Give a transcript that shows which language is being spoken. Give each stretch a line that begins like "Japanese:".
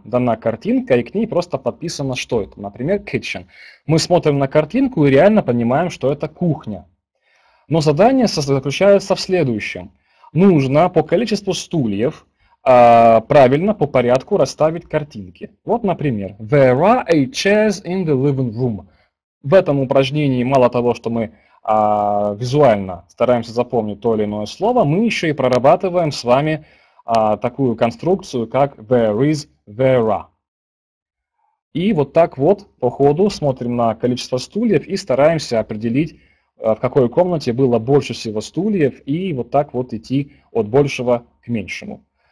Russian: Дана картинка, и к ней просто подписано, что это. Например, kitchen. Мы смотрим на картинку и реально понимаем, что это кухня. Но задание заключается в следующем. Нужно по количеству стульев правильно по порядку расставить картинки. Вот, например,
English: there are eight chairs in the living room.
Russian: В этом упражнении мало того, что мы визуально стараемся запомнить то или иное слово, мы еще и прорабатываем с вами такую конструкцию, как there is, there are. И вот так вот по ходу смотрим на количество стульев и стараемся определить, в какой комнате было больше всего стульев, и вот так вот идти от большего к меньшему.